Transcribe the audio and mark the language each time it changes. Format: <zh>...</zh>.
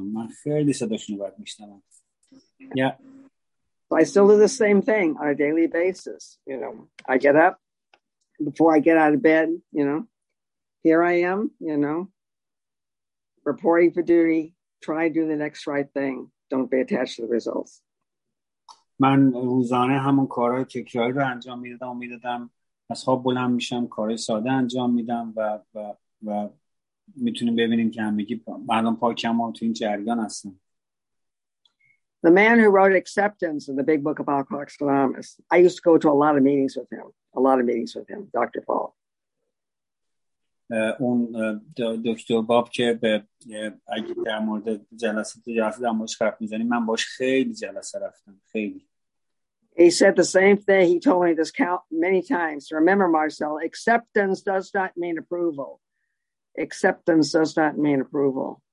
<fa>من خیلی صداشون رو باید میشنوم.</fa> <en>I still do the same thing on a daily basis. You know, I get up before I get out of bed, you know, here I am, you know, reporting for duty, try to do the next right thing. Don't be attached to the results.</en> <fa>من روزانه همون کارهای تکراری رو انجام میدادم و میدادم از خواب بلند میشم کارهای ساده انجام میدم و میتونیم ببینیم که همگی مردم پاکم ها تو این جریان هستن.</fa> <en>The man who wrote Acceptance in the Big Book of Alcoholics Anonymous. I used to go to a lot of meetings with him. A lot of meetings with him, Dr. Paul.</en> <fa>اون دکتر باب که اگه در مورد جلسه در موردش حرف میزنیم من باش خیلی جلسه رفتم. خیلی.</fa> <en>He said the same thing. He told me this count many times. Remember, Marcel, acceptance does not mean approval. Acceptance does not mean approval.</en>